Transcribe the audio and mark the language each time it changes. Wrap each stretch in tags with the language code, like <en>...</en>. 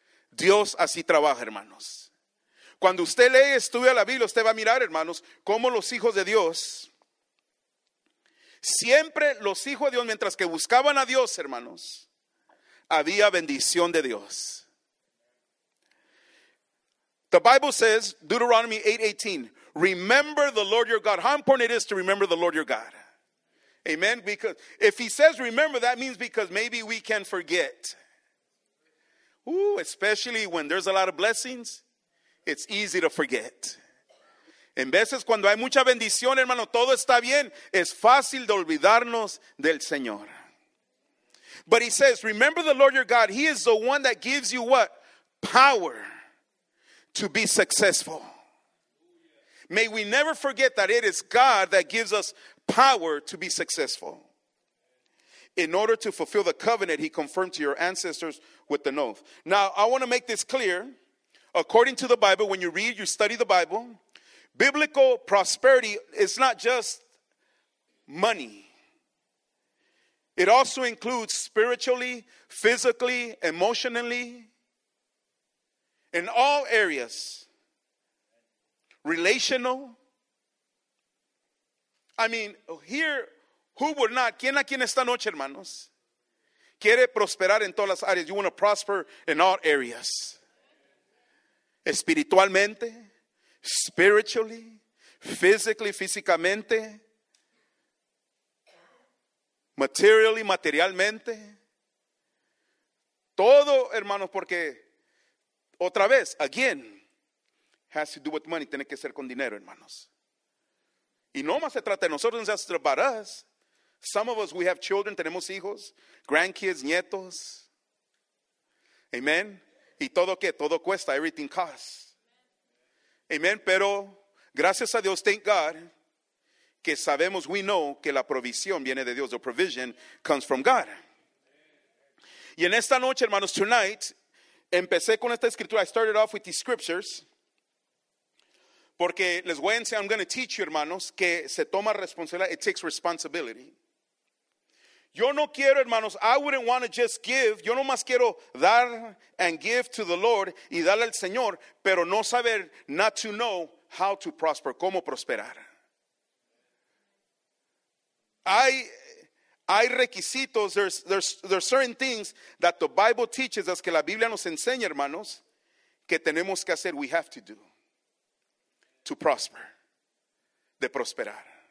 <es>Dios así trabaja, hermanos. Cuando usted lee, estudia la Biblia, usted va a mirar, hermanos, cómo los hijos de Dios, siempre los hijos de Dios, mientras que buscaban a Dios, hermanos, había bendición de Dios.</es> <en>The Bible says, Deuteronomy 8:18, remember the Lord your God. How important it is to remember the Lord your God. Amen. Because if he says remember, that means because maybe we can forget. Ooh, especially when there's a lot of blessings, it's easy to forget.</en> <es>En veces cuando hay mucha bendición, hermano, todo está bien, es fácil de olvidarnos del Señor.</es> <en>But he says, remember the Lord your God. He is the one that gives you what? Power to be successful. May we never forget that it is God that gives us power to be successful. In order to fulfill the covenant he confirmed to your ancestors with an oath. Now, I want to make this clear. According to the Bible, when you read, you study the Bible, biblical prosperity is not just money. It also includes spiritually, physically, emotionally, in all areas. Relational. I mean, here, who would not?</en> <es>¿Quién aquí en esta noche, hermanos? Quiere prosperar en todas las áreas.</es> <en>You want to prosper in all areas.</en> <es>Espiritualmente,</es> <en>spiritually, physically,</en> <es>físicamente,</es> <en>materially,</en> <es>materialmente, todo, hermanos, porque otra vez,</es> <en>again, has to do with money,</en> <es>tiene que ser con dinero, hermanos. Y no más se trata de nosotros,</es> <en>just about us. Some of us, we have children,</en> <es>tenemos hijos,</es> <en>grandkids, nietos. Amen.</en> <es>¿Y todo qué? Todo cuesta,</es> <en>everything costs.</en> <es>Amén, pero gracias a Dios,</es> <en>thank God,</en> <es>que sabemos,</es> <en>we know,</en> <es>que la provisión viene de Dios.</es> <en>The provision comes from God.</en> <es>Y en esta noche, hermanos,</es> <en>tonight,</en> <es>empecé con esta escritura.</es> <en>I started off with these scriptures.</en> <es>Porque les voy a enseñar,</es> <en>I'm going to teach you,</en> <es>hermanos, que se toma responsabilidad.</es> <en>It takes responsibility.</en> <es>Yo no quiero, hermanos,</es> <en>I wouldn't want to just give.</en> <es>Yo no más quiero dar</es> <en>and give to the Lord</en> <es>y darle al Señor, pero no saber,</es> <en>not to know how to prosper,</en> <es>cómo prosperar. Hay requisitos,</es> <en>there's certain things that the Bible teaches us,</en> <es>que la Biblia nos enseña, hermanos, que tenemos que hacer,</es> <en>we have to do, to prosper,</en> <es>de prosperar.</es>